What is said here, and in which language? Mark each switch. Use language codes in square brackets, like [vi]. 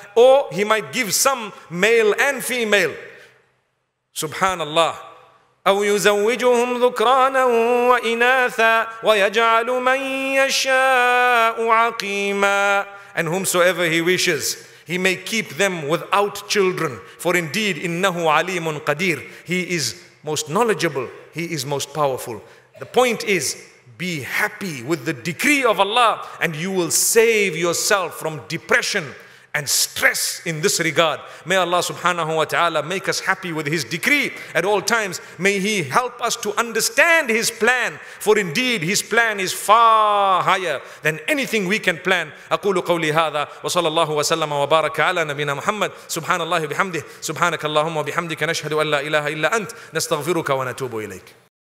[en] Or He might give some male and female. [ar] Subhanallah. أَوْ يُزَوِّجُهُمْ ذُكْرَانًا وَإِنَاثًا وَيَجْعَلُ مَن يَشَاءُ عَقِيمًا. [en] And whomsoever He wishes, He may keep them without children. For indeed, [ar] إِنَّهُ عَلِيمٌ قَدِيرٌ. [en] He is most knowledgeable. He is most powerful. The point is, be happy with the decree of Allah and you will save yourself from depression and stress in this regard. May Allah subhanahu wa ta'ala make us happy with His decree at all times. May He help us to understand His plan. For indeed, His plan is far higher than anything we can plan. [ar] أقول قولي هذا وصلى الله وسلم وبارك على نبينا محمد. سبحان الله بحمده. سبحانك اللهم وبحمدك. نشهد أن لا إله إلا أنت. نستغفرك ونتوب إليك.